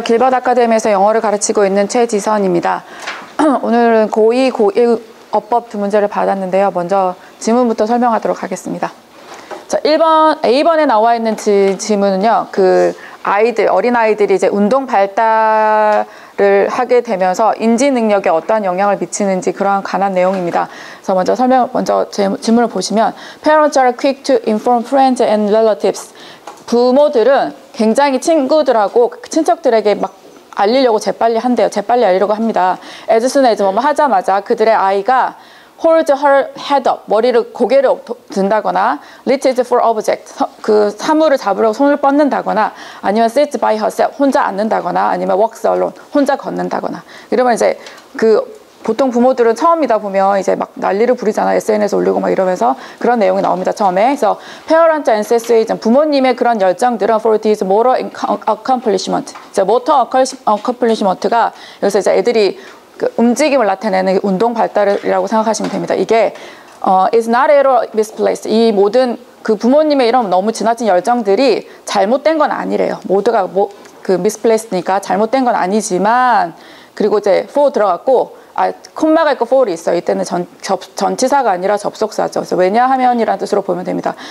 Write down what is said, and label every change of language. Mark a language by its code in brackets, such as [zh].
[ko] 길벗 아카데미에서 영어를 가르치고 있는 최지선입니다. 오늘은 고2, 고1 어법 두 문제를 받았는데요. 먼저 지문부터 설명하도록 하겠습니다. 자, 1번, A번에 나와 있는 지문은요. 그 아이들, 어린아이들이 이제 운동 발달을 하게 되면서 인지 능력에 어떠한 영향을 미치는지 그러한 관한 내용입니다. 그래서 먼저 질문을 보시면 [en] Parents are quick to inform friends and relatives. [ko] 부모들은 굉장히 친구들하고 친척들에게 막 알리려고 재빨리 한대요. 재빨리 알리려고 합니다. [en] As soon as mom [ko] 하자마자 그들의 아이가 [en] hold her head up, [ko] 머리를, 고개를 든다거나, [en] reaches for object, [ko] 그 사물을 잡으려고 손을 뻗는다거나, 아니면 [en] sits by herself, [ko] 혼자 앉는다거나, 아니면 [en] walks alone, [ko] 혼자 걷는다거나. 이러면 이제 그 보통 부모들은 처음이다 보면 이제 막 난리를 부리잖아. SNS 올리고 막 이러면서 그런 내용이 나옵니다. 처음에. 그래서 [en] parents and sisters, [ko] 부모님의 그런 열정들은 [en] for this motor accomplishment. [ko] 이제 [en] motor accomplishment [ko] 가 여기서 이제 애들이 그 움직임을 나타내는 운동 발달이라고 생각하시면 됩니다. 이게 [en] is not at all misplaced. [ko] 이 모든 그 부모님의 이런 너무 지나친 열정들이 잘못된 건 아니래요. 모두가 뭐 그 misplaced니까 잘못된 건 아니지만 그리고 이제 for 들어갔고 아 콤마가 있고 for 있어. 이때는 전치사가 아니라 접속사죠. 그래서 왜냐하면이라는 뜻으로 보면 됩니다.